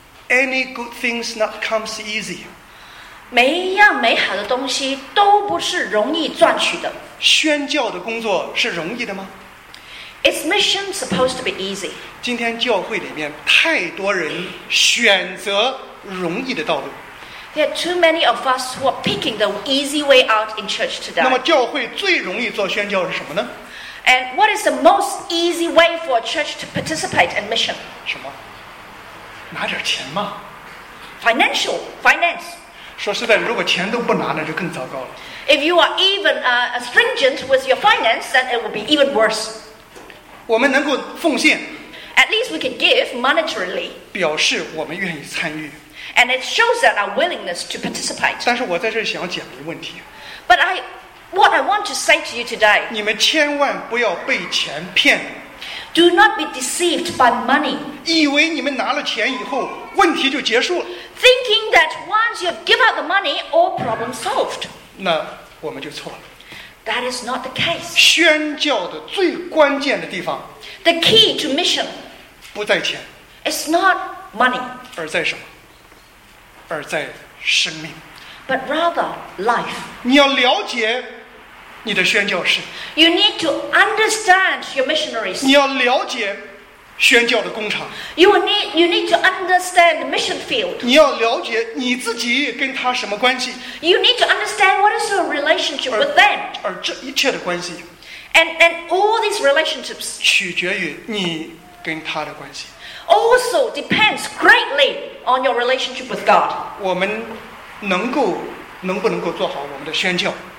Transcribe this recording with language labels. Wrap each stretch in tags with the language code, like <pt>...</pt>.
<en>Any good things not comes easy.</en> <zh>每一样美好的东西都不是容易赚取的。宣教的工作是容易的吗？</zh> <en>Is mission supposed to be easy?</en> <zh>今天教会里面太多人选择容易的道路。</zh> <en>There are too many of us who are picking the easy way out in church today.</en> <zh>那么教会最容易做宣教是什么呢？</zh> <en>And what is the most easy way for a church to participate in mission?</en> <zh>什么？拿点钱吗？</zh> <en>Financial, finance.</en> <zh>说实在，如果钱都不拿，那就更糟糕了。</zh> <en>If you are even stringent with your finance, then it will be even worse.</en> <zh>我们能够奉献</zh> <en>，at least we can give monetarily，</en> <zh>表示我们愿意参与</zh> <en>，and it shows that our willingness to participate。</en> <zh>但是我在这里想讲一个问题</zh> <en>，but what I want to say to you today，</en> <zh>你们千万不要被钱骗</zh> <en>，do not be deceived by money。</en> <zh>以为你们拿了钱以后，问题就结束了</zh> <en>，thinking that once you have given out the money， all problem solved。</en> <zh>那我们就错了。</zh> <en>That is not the case.</en> <zh>宣教的最关键的地方</zh> <en>，the key to mission，</en> <zh>不在钱</zh> <en>，it's not money，</en> <zh>而在什么？而在生命</zh> <en>，but rather life。</en> <zh>你要了解你的宣教士</zh> <en>，you need to understand your missionaries。</en> <zh>你要了解宣教的工厂</zh> <en>，you need to understand the mission field。</en> <zh>你要了解你自己跟他什么关系</zh> <en>，you need to understand what is your relationship with them。</en> <zh>而这一切的关系</zh> <en>，and all these relationships</en> <zh>取决于你跟他的关系</zh> <en>，also depends greatly on your relationship with God。</en> <zh>我们能不能够做好我们的宣教</zh>